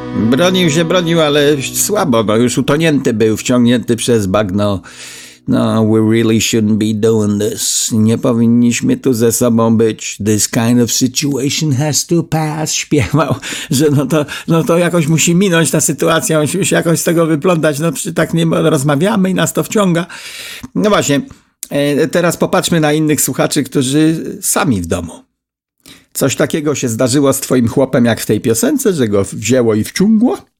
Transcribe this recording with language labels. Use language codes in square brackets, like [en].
[pl] Bronił się, bronił, ale słabo, no już utonięty był, wciągnięty przez bagno. [en] No, we really shouldn't be doing this. [pl] Nie powinniśmy tu ze sobą być. [en] This kind of situation has to pass. [pl] Śpiewał, że no to jakoś musi minąć ta sytuacja. Musimy się jakoś z tego wyplątać. No, przecież tak nie rozmawiamy i nas to wciąga. No właśnie, teraz popatrzmy na innych słuchaczy, którzy sami w domu. Coś takiego się zdarzyło z twoim chłopem, jak w tej piosence, że go wzięło i wciągło?